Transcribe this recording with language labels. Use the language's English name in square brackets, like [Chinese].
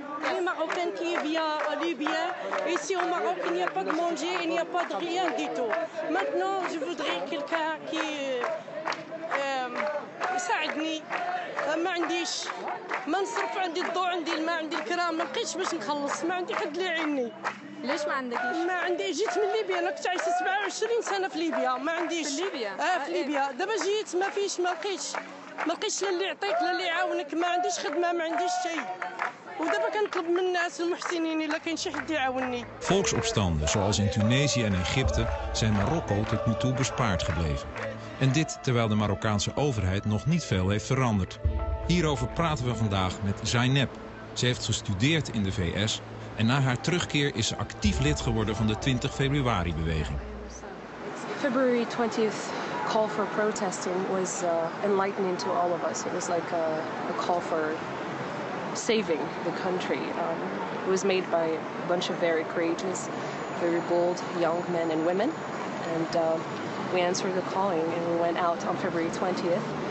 [French] Les Marocains qui vivent à Libye, ici au Maroc, il n'y a pas de manger, il n'y a pas de rien du tout. Maintenant, je voudrais quelqu'un qui. [Arabic] يساعدني ما عنديش ما نصرف عندي الضوء عندي الماء عندي الكرام ما لقيتش باش نخلص ما عندي حد اللي يعينني ليش ما عندك ما عندي جيت من ليبيا انا كنت عايشه 27 سنه في ليبيا ما عنديش في ليبيا في ليبيا دابا جيت ما فيش ما لقيتش لا اللي يعطيك لا اللي يعاونك ما عنديش خدمه ما عنديش شيء ودابا كنطلب من الناس المحسنين الا كاين شي حد يعاونني [Dutch] Volksopstanden zoals in Tunesië en Egypte zijn Marokko tot nu toe bespaard gebleven. En dit terwijl de Marokkaanse overheid nog niet veel heeft veranderd. Hierover praten we vandaag met Zainab. Ze heeft gestudeerd in de VS en na haar terugkeer is ze actief lid geworden van de 20 februari beweging. [English] February 20th call for protesting was enlightening to all of us. It was like a call for saving the country. It was made by a bunch of very courageous, very bold young men and women and we answered the calling and we went out on February 20th.